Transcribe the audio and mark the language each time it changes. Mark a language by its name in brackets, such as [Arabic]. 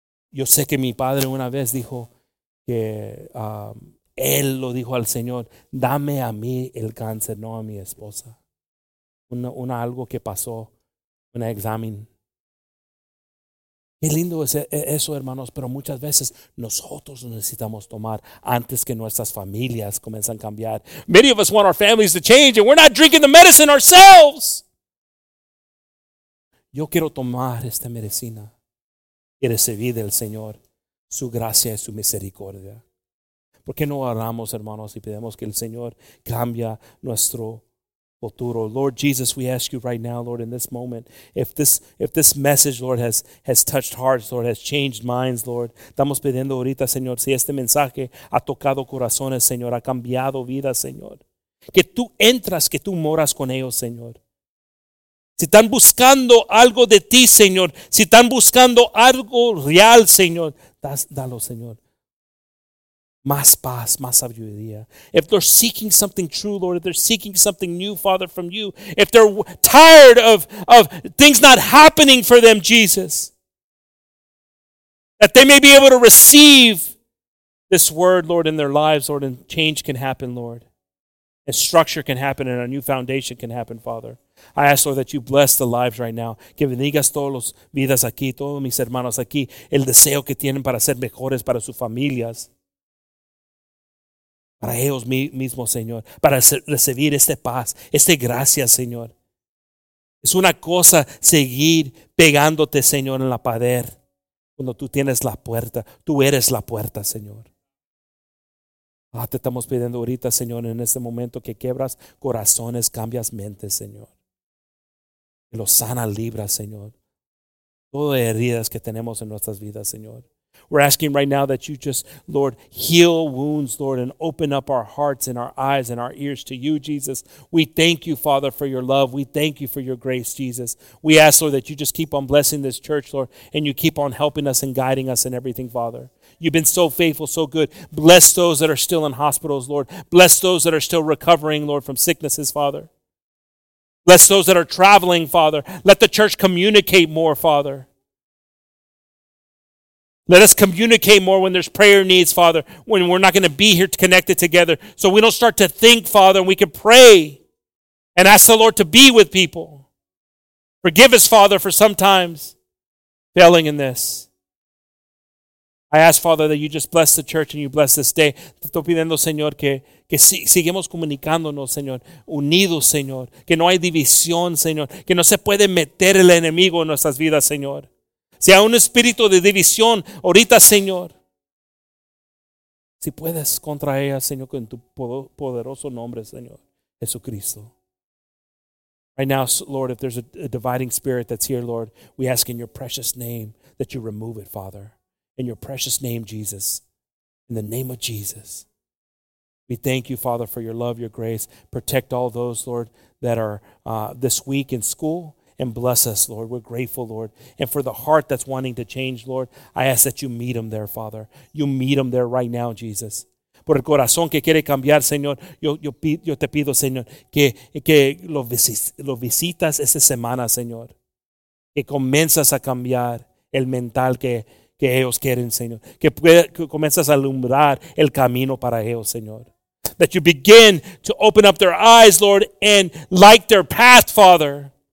[Spanish] Yo sé que mi padre una vez dijo que él lo dijo al Señor, dame a mí el cáncer, no a mi esposa. Una algo que pasó, un examen. Qué lindo es eso, hermanos, pero muchas veces nosotros necesitamos tomar antes que nuestras familias comiencen a cambiar. [English] Many of us want our families to change and we're not drinking the medicine ourselves. [Spanish] Yo quiero tomar esta medicina y recibir del Señor su gracia y su misericordia. ¿Por qué no oramos, hermanos, y pedimos que el Señor cambie nuestro futuro? [English] Lord Jesus, we ask you right now, Lord, in this moment, if this message, Lord, has touched hearts, Lord, has changed minds, Lord, [Spanish] estamos pidiendo ahorita, Señor, si este mensaje ha tocado corazones, Señor, ha cambiado vidas, Señor, que tú entras, que tú moras con ellos, Señor. Si están buscando algo de ti, Señor, si están buscando algo real, Señor, dalo, Señor. Más paz, más sabiduría. [English] If they're seeking something true, Lord, if they're seeking something new, Father, from you, if they're tired of things not happening for them, Jesus, that they may be able to receive this word, Lord, in their lives, Lord, and change can happen, Lord. And structure can happen and a new foundation can happen, Father. I ask, Lord, that you bless the lives right now. [Spanish] Que bendigas todos los vidas aquí, todos mis hermanos aquí, el deseo que tienen para ser mejores para sus familias. Para ellos mismos, Señor, para recibir esta paz, esta gracia, Señor. Es una cosa seguir pegándote, Señor, en la pared cuando tú tienes la puerta. Tú eres la puerta, Señor. Ah, te estamos pidiendo ahorita, Señor, en este momento que quebras corazones, cambias mentes, Señor. Que los sana, libra, Señor. Todas las heridas que tenemos en nuestras vidas, Señor. [English] We're asking right now that you just, Lord, heal wounds, Lord, and open up our hearts and our eyes and our ears to you, Jesus. We thank you, Father, for your love. We thank you for your grace, Jesus. We ask, Lord, that you just keep on blessing this church, Lord, and you keep on helping us and guiding us in everything, Father. You've been so faithful, so good. Bless those that are still in hospitals, Lord. Bless those that are still recovering, Lord, from sicknesses, Father. Bless those that are traveling, Father. Let the church communicate more, Father. Let us communicate more when there's prayer needs, Father, when we're not going to be here connected together. So we don't start to think, Father, and we can pray and ask the Lord to be with people. Forgive us, Father, for sometimes failing in this. I ask, Father, that you just bless the church and you bless this day. [Spanish] Te estoy pidiendo, Señor, que sigamos comunicándonos, Señor, unidos, Señor, que no hay división, Señor, que no se puede meter el enemigo en nuestras vidas, Señor. Si hay un espíritu de división ahorita, Señor, si puedes contra ella, Señor, con tu poderoso nombre, Señor, Jesucristo. [English] Right now, Lord, if there's a dividing spirit that's here, Lord, we ask in your precious name that you remove it, Father. In your precious name, Jesus. In the name of Jesus. We thank you, Father, for your love, your grace. Protect all those, Lord, that are this week in school. And bless us, Lord. We're grateful, Lord. And for the heart that's wanting to change, Lord, I ask that you meet them there, Father. You meet them there right now, Jesus. [Spanish] Por el corazón que quiere cambiar, Señor, yo te pido, Señor, que lo visitas esta semana, Señor. Que comienzas a cambiar el mental que ellos quieren, Señor. Que comienzas a alumbrar el camino para ellos, Señor. [English] That you begin to open up their eyes, Lord, and light their path, Father.